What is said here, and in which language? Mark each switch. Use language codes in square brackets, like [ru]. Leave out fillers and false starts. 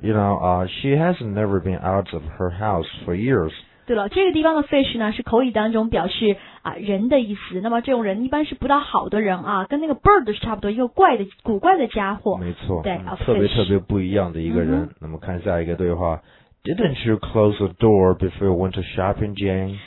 [en] You know, she has never been out of her house for years. [zh] 对了，这个地方的 fish 呢是口语当中表示啊、人的意思。那么这种人一般是不大好的人啊，跟那个 bird 是差不多，一个怪的古怪的家伙。没错，对，特别特别不一样的一个人。嗯、那么看下一个对话。 [en] Didn't you close the door before you went to shopping, Jane?